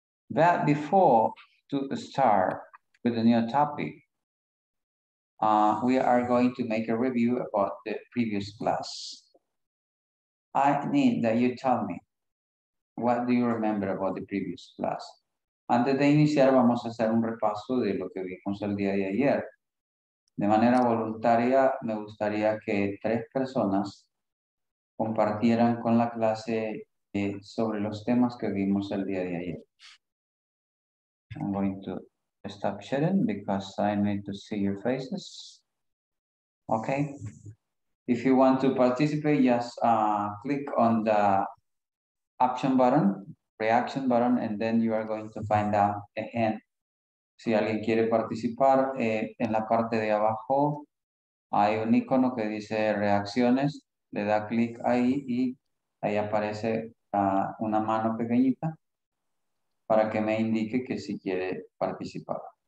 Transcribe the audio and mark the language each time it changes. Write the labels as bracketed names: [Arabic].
[English] But before to start, with a new topic, we are going to make a review about the previous class. I need that you tell me, what do you remember about the previous class? [Spanish] Antes de iniciar, vamos a hacer un repaso de lo que vimos el día de ayer. De manera voluntaria, me gustaría que 3 personas compartieran con la clase sobre los temas que vimos el día de ayer. [English] I'm going to stop sharing because I need to see your faces. Okay. If you want to participate, just click on the option button, reaction button, and then you are going to find out a hand. [Spanish] Si alguien quiere participar, en la parte de abajo hay un icono que dice reacciones. Le da clic ahí y ahí aparece una mano pequeñita para que me indique que si quiere participar.